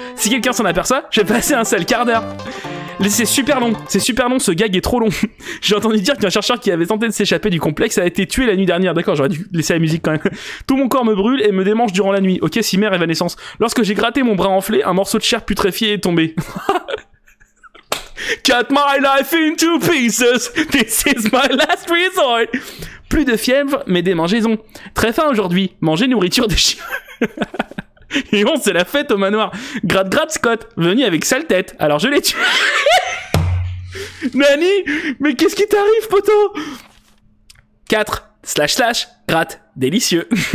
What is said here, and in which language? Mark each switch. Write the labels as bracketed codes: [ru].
[fr] Si quelqu'un s'en aperçoit, je vais passer un seul quart d'heure. C'est super long, ce gag est trop long. J'ai entendu dire qu'un chercheur qui avait tenté de s'échapper du complexe a été tué la nuit dernière. D'accord, j'aurais dû laisser la musique quand même. Tout mon corps me brûle et me démange durant la nuit. Ok, cimère et évanescence. Lorsque j'ai gratté mon bras enflé, un morceau de chair putréfié est tombé. [en] Cut my life into pieces, this is my last resort. [fr] Plus de fièvre, mais démangeaison. Très faim aujourd'hui, manger nourriture de chien. Et on, c'est la fête au manoir. Gratte, gratte, Scott, venu avec sale tête, alors je l'ai tué. Nani, mais qu'est-ce qui t'arrive, poteau? 4/ gratte, délicieux.